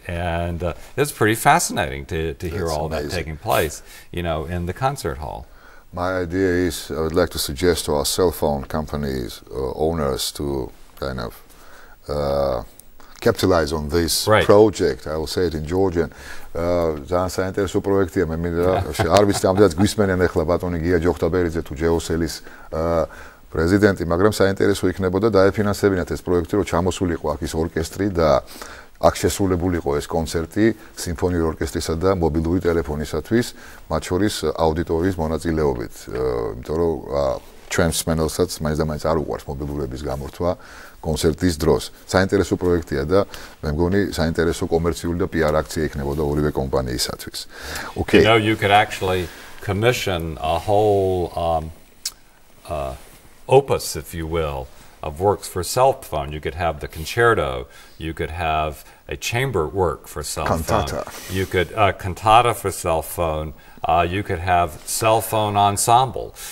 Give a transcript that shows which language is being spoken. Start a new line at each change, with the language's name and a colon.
English: And it's pretty fascinating to hear all amazing. That taking place, in the concert hall. My idea is I would like to suggest to our cell phone companies, owners, to kind of capitalize on this right. project. I will say it in Georgian.
Georgian: Ძალიან საინტერესო პროექტია, მე მინდა არ ვიცი ამდენად გვისმენენ ახლა ბატონი გია ჯოხტაბერიძე თუ ჯეოსელის პრეზიდენტი, მაგრამ საინტერესო იქნებოდა დაეფინანსებინათ ეს პროექტი, რომ ჩამოსულიყო აქ ის ორკესტრი და აქ შესრულებულიყო ეს კონცერტი სიმფონიურ ორკესტრისა და მობილური ტელეფონისათვის, მათ შორის აუდიტორიის მონაწილეობით. იმიტომ რომ ჩვენს მენელსაც მაინც და მაინც არ უყვარს მობილურების გამორთვა კონცერტის დროს. საინტერესო პროექტია და მე მგონი საინტერესო კომერციული და პიარ აქცია იქნებოდა ორივე კომპანიისათვის.
English: Okay. You know, you could actually commission a whole opus, if you will, of works for cell phone. You could have the concerto, you could have a chamber work for cell cantata. Phone. Cantata. You could cantata for cell phone. You could have cell phone ensemble.